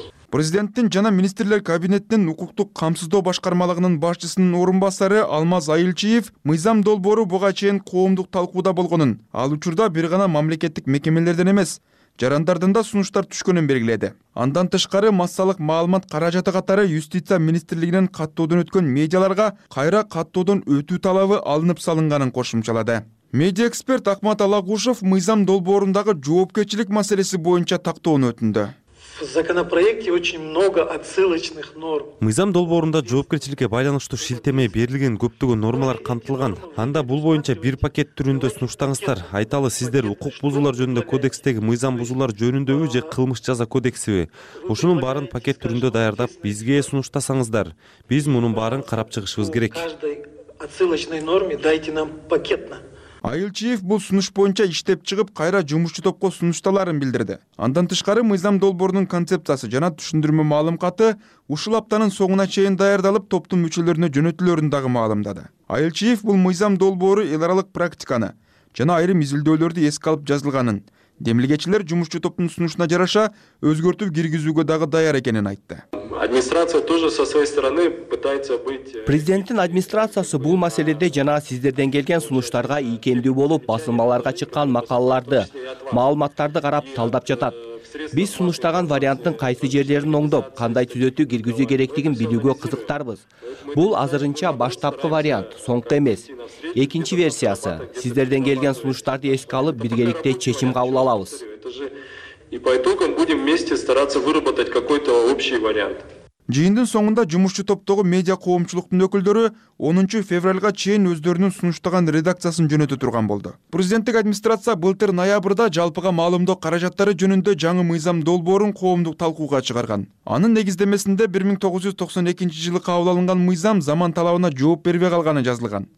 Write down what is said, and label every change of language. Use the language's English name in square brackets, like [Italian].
[Kyrgyz] Президенттин жана министрлер кабинетинин укуктук камсыздоо башкармалыгынын башчысынын орун басары Алмаз Айылчиев мыйзам долбоору буга чейин коомдук талкууда болгонун, ал учурда бир гана мамлекеттик мекемелерден эмес, жарандардан да сунуштар түшкөнүн белгиледи. Андан тышкары массалык маалымат каражаты катары юстиция министрлигинен каттоодон өткөн медиаларга кайра каттоодон өтүү талабы алынып салынганын кошумчалады. Медиа эксперт Ахмат Алагушев мыйзам долбоорундагы жоопкерчилик маселеси боюнча тактоону өтүндү. [Russian] В законопроекте очень много отсылочных норм. [Kyrgyz] Мыйзам долбоорунда жоопкерчиликке байланыштуу шилтеме берилген көптөгү нормалар камтылган. Анда бул боюнча бир пакет түрүндө сунуштаңыздар. Айталы, сиздер укук бузуулар жөнүндө кодекстеги мыйзам бузуулар жөнүндөгү же кылмыш жаза кодексиби? Ушунун баарын пакет түрүндө даярдап бизге сунуштасаңыздар, биз мунун баарын карап чыгышыбыз керек. [Russian] Отсылочной норме дайте нам пакетно. [Kyrgyz] Айылчиев бул сунуш боюнча иштеп чыгып, кайра жумушчу топко сунушталарын билдирди. Андан тышкары мыйзам долбоорунун концепциясы жана түшүндүрмө маалымкаты ушул аптанын соңуна чейин даярдалып, топтун мүчөлөрүнө жөнөтүлөрүн дагы маалымдады. Айылчиев бул мыйзам долбоору эл аралык практиканы жана айрым изилдөөлөрдү эске алып жазылганын, демилгечилер жумушчу топтун сунушуна жараша өзгөртүп киргизүүгө дагы даяр экенин айтты. [Russian] администрация тоже со своей стороны пытается быть. [Kyrgyz] Президенттин администрациясы бул маселеде жана сиздерден келген сунуштарга ийкемдүү болуп, басылмаларга чыккан макалаларды, маалыматтарды карап талдап жатат. Биз сунуштаган варианттын кайсы жерлерин оңдоп, кандай түзөтүү киргизүү керектигин билүүгө кызыктарбыз. Бул азырынча баштапкы вариант, соңку эмес. Экинчи версиясы, сиздерден келген сунуштарды эске алып, биргеликте чечим кабыл алабыз. [Russian] И по итогам будем вместе стараться выработать какой-то общий вариант. [Kyrgyz] Жыйындын соңунда жумушчу топтогу медиа коомчулуктун өкүлдөрү 10 февральга чейин өздөрүнүн сунуштаган редакциясын жөнөтө турган болду. Президенттик администрация былтыр ноябрда жалпыга маалымдоо каражаттары жөнүндө жаңы мыйзам долбоорун коомдук талкууга чыгарган. Анын негиздемесинде 1992 жылы кабыл алынган мыйзам заман талабына жооп бербей калганы жазылган.